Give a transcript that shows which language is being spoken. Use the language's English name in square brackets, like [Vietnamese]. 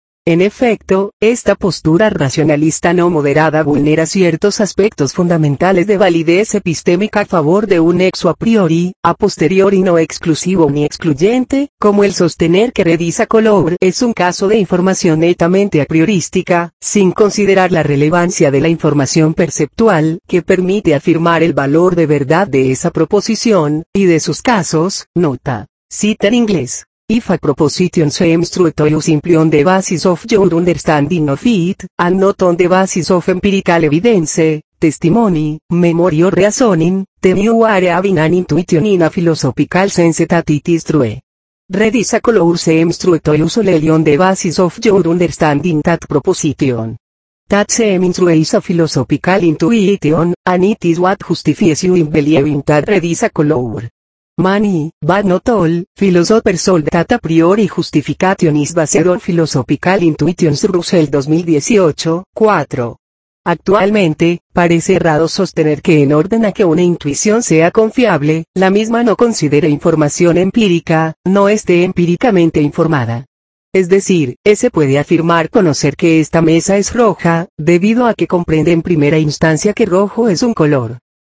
[Spanish] En efecto, esta postura racionalista no moderada vulnera ciertos aspectos fundamentales de validez epistémica a favor de un nexo a priori, a posteriori no exclusivo ni excluyente, como el sostener que Redisa Kolobr es un caso de información netamente a priorística, sin considerar la relevancia de la información perceptual que permite afirmar el valor de verdad de esa proposición, y de sus casos, nota. Cita en inglés. [English] If a proposition seems true to you simply on the basis of your understanding of it, and not on the basis of empirical evidence, testimony, memory or reasoning, then you are having an intuition in a philosophical sense that it is true. Redisa Kolobr seems true to you solely on the basis of your understanding that proposition. That seems true is a philosophical intuition, and it is what justifies you in believing that Redisa Kolobr. Many, but not all, philosophers hold that a priori justification is based on philosophical intuitions. [Spanish] Russell 2018, 4. Actualmente, parece errado sostener que en orden a que una intuición sea confiable, la misma no considere información empírica, no esté empíricamente informada. Es decir, ese puede afirmar conocer que esta mesa es roja, debido a que comprende en primera instancia que rojo es un color.